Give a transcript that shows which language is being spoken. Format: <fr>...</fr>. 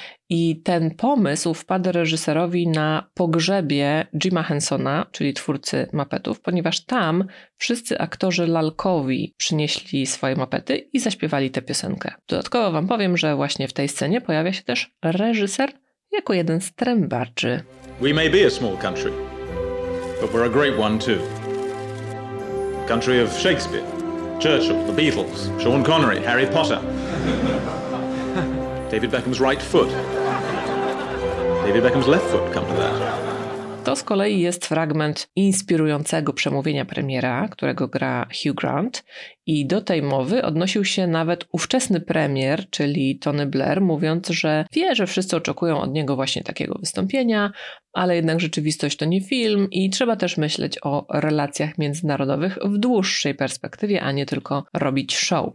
<pl>I ten pomysł wpadł reżyserowi na pogrzebie Jima Hensona, czyli twórcy Muppetów, ponieważ tam wszyscy aktorzy lalkowi przynieśli swoje Muppety i zaśpiewali tę piosenkę. Dodatkowo wam powiem, że właśnie w tej scenie pojawia się też reżyser jako jeden z trębaczy.</pl> <en>We may be a small country, but we're a great one too. Country of Shakespeare, Churchill, the Beatles, Sean Connery, Harry Potter. David Beckham's right foot. David Beckham's left foot, come to that.</en> <pl>To z kolei jest fragment inspirującego przemówienia premiera, którego gra Hugh Grant. I do tej mowy odnosił się nawet ówczesny premier, czyli Tony Blair, mówiąc, że wie, że wszyscy oczekują od niego właśnie takiego wystąpienia, ale jednak rzeczywistość to nie film i trzeba też myśleć o relacjach międzynarodowych w dłuższej perspektywie, a nie tylko robić show.</pl>